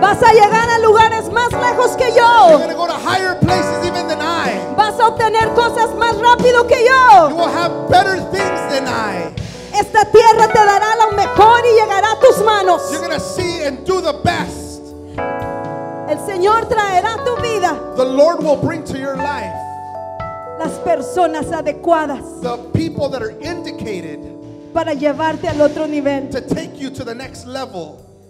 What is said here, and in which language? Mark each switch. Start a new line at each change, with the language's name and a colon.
Spanish: Vas a llegar a lugares más lejos que yo.
English: You're going to go to higher places even than I.
Spanish: Vas a obtener cosas más rápido que yo.
English: You will have better things than I.
Spanish: Esta tierra te dará lo mejor y llegará a tus manos.
English: You're going to see and do the best.
Spanish: El Señor traerá tu vida.
English: The Lord will bring to your life.
Spanish: Las personas adecuadas.
English: The people that are indicated.
Spanish: Para llevarte al otro nivel.
English: To take you to the next level.